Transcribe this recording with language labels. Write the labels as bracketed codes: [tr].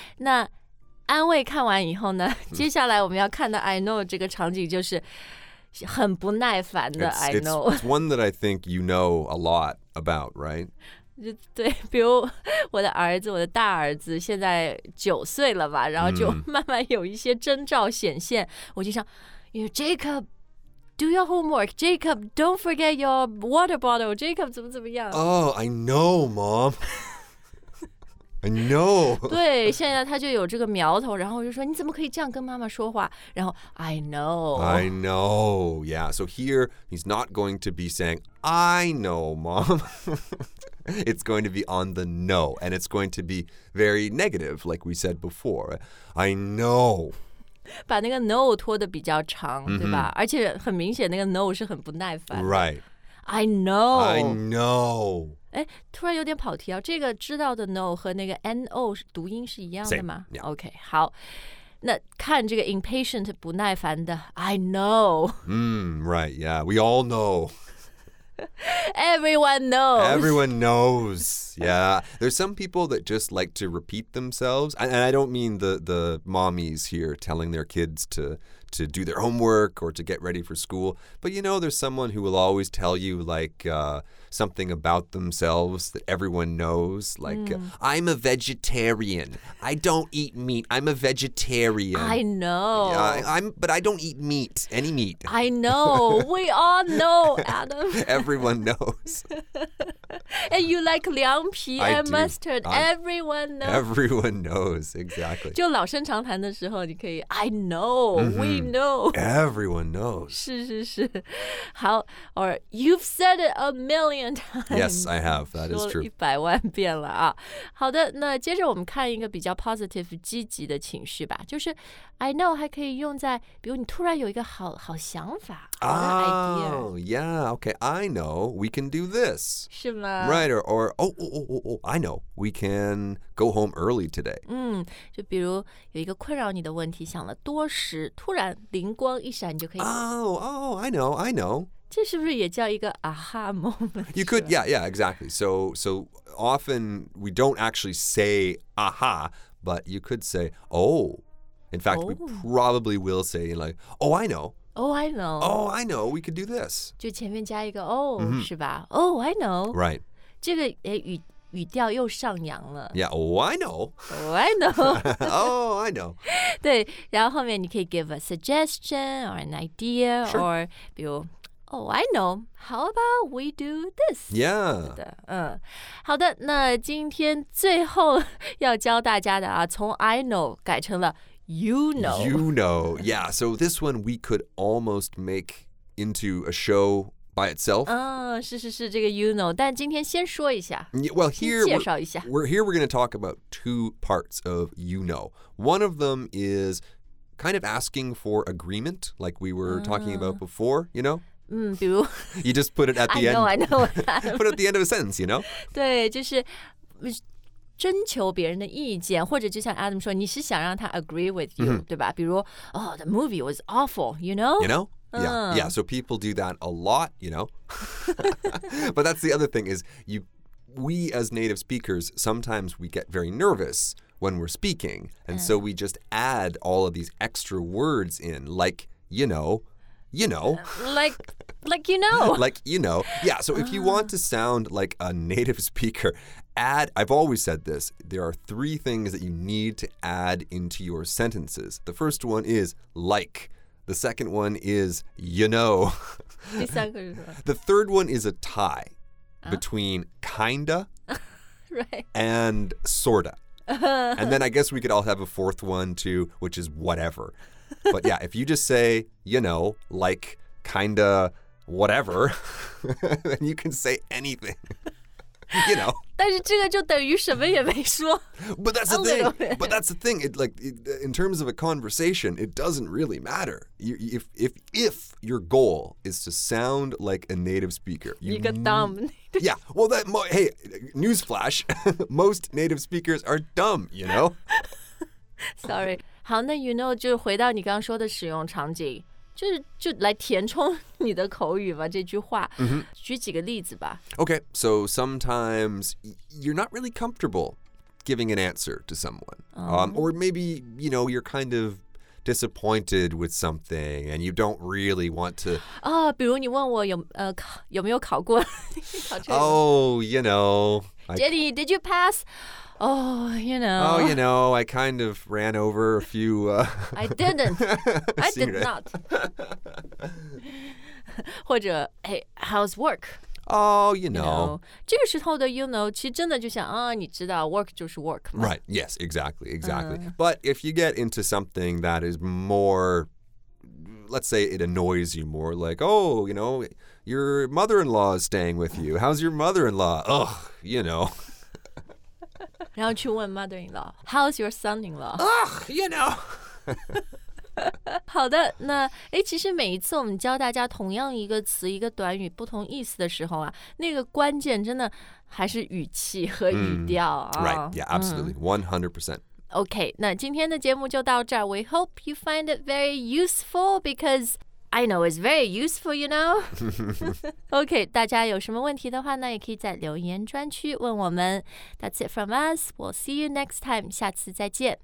[zh] 那安慰看完以后呢，接下来我们要看到 I know 这个场景就是很不耐烦的 I know. [en] It's one that I think you know a lot about, right? [zh] 对，比如我的儿子，我的大儿子现在九岁了吧，然后就慢慢有一些征兆显现。我就想，因为 Jacob. [en] Do your homework, Jacob. Don't forget your water bottle, Jacob. [zh] 怎么怎么样 [en] Oh, I know, Mom. I know. [zh] 对，现在他就有这个苗头，然后我就说你怎么可以这样跟妈妈说话？ [en] 然后 I know. I know. Yeah. So here he's not going to be saying I know, Mom. It's going to be on the no, and it's going to be very negative, like we said before. I know. [zh] 把那个 no 拖得比较长、 [en] mm-hmm. [zh] 对吧而且很明显那个 no 是很不耐烦 [en] Right I know I know [zh] 诶突然有点跑题啊这个知道的 no 和那个 no 读音是一样的吗 [en] Same,、yeah. [zh] OK 好那看这个 impatient 不耐烦的 I know、 [en] mm, Right yeah we all know Everyone knows Everyone knows Yeah There's some people that just like to repeat themselves And I don't mean the mommies here Telling their kids to do their homework Or to get ready for school But you know there's someone who will always tell you Like、something about themselves That everyone knows Like、mm. I'm a vegetarian I don't eat meat I'm a vegetarian I know yeah, I'm, But I don't eat meat Any meat I know We all know Adam Everyone knows And you like 凉皮 and、 I、 mustard do. Everyone knows Everyone knows Exactly [zh] 就老生常谈的时候你可以 I know、 [en] mm-hmm. We know Everyone knows 是是是好 Or you've said it a million times Yes I have That is true [zh] 说了一百万遍了啊好的那接着我们看一个比较 positive 积极的情绪吧就是 I know 还可以用在比如你突然有一个 好想法 [en] Oh, yeah, okay, I know, we can do this. [zh] 是吗? [en] Right, or I know, we can go home early today. [zh] 嗯,就比如有一个困扰你的问题,想了多时,突然灵光一闪,你就可以。 [en] Oh, I know. [zh] 这是不是也叫一个 aha moment? [en] You could, yeah, yeah, exactly. So often we don't actually say aha, but you could say, oh. In fact, we probably will say like, oh, I know. Oh, I know. We could do this. [zh] 就前面加一个 oh, mm-hmm. [en] 是吧 Oh, I know. Right. [zh] 这个语调又上扬了。 [en] Yeah, Oh, I know. oh, I know. [zh] 对，然后后面你可以 give a suggestion or an idea、 [en] sure. or 比如 Oh, I know. How about we do this? Yeah. [zh] 的嗯，好的。那今天最后要教大家的啊，从 I know 改成了。 [en] You know. Yeah, so this one we could almost make into a show by itself. [zh] 是这个 you know, 但今天先说一下。 [en] Yeah, well, here, [zh] 先介绍一下。 [en] We're going to talk about two parts of you know. One of them is kind of asking for agreement, like we were talking about before, you know? [zh] 比如。 [en] You just put it at the I end. I know. put it at the end of a sentence, you know? [zh] 对,就是。征求别人的意见，或者就像 Adam 说，你是想让他 agree with you，、 [en] mm-hmm. [zh] 对吧？ [en] 比如，Oh, the movie was awful. You know. You know. Yeah. So people do that a lot. You know. But that's the other thing is we as native speakers sometimes we get very nervous when we're speaking, and so we just add all of these extra words in, like you know. Like you know. Yeah. So if you want to sound like a native speaker. I've always said this, there are three things that you need to add into your sentences. The first one is like. The second one is you know. The third one is a tie between kinda right. and sorta. And then I guess we could all have a fourth one too, which is whatever. But yeah, if you just say, you know, like, kinda, whatever, then you can say anything. You know. [zh] 但是这个就等于什么也没说。 [en] But that's the thing. But that's the thing. It, like, it, in terms of a conversation, it doesn't really matter. You, if your goal is to sound like a native speaker, you need, dumb. Yeah. Well, that, hey, newsflash, most native speakers are dumb, you know? Sorry. [zh] 好，那 you know, 就回到你刚刚说的使用场景。就来填充你的口语吧，这句话。 [en] Mm-hmm. [zh] 举几个例子吧。 [en] Okay, so sometimes you're not really comfortable giving an answer to someone. Or maybe, you know, you're kind of disappointed with something and you don't really want to... [zh] 哦、 oh, 比如你问我 有没有考过。 [en] Oh, you know. Jenny, did you pass... Oh, you know. Oh, you know, I kind of ran over a few... I didn't. I did not. 或者, hey, how's work? Oh, you know. [zh] 这个时候的 you know, 其实真的就像,啊,你知道, work 就是 work 嘛。 [en] Right, yes, exactly, exactly. Uh-huh. But if you get into something that is more, let's say it annoys you more, like, oh, you know, your mother-in-law is staying with you. How's your mother-in-law? Ugh, you know. 然后去问 mother-in-law, how's your son-in-law? Ugh, you know. [zh] 好的，那诶，其实每一次我们教大家同样一个词、一个短语不同意思的时候啊，那个关键真的还是语气和语调啊。 [en] Mm, right, yeah, absolutely, 100%. [zh] OK, 那今天的节目就到这儿。 [en] We hope you find it very useful because... I know it's very useful, you know. [zh] OK, 大家有什么问题的话呢，也可以在留言专区问我们。 That's it from us. We'll see you next time. 下次再见。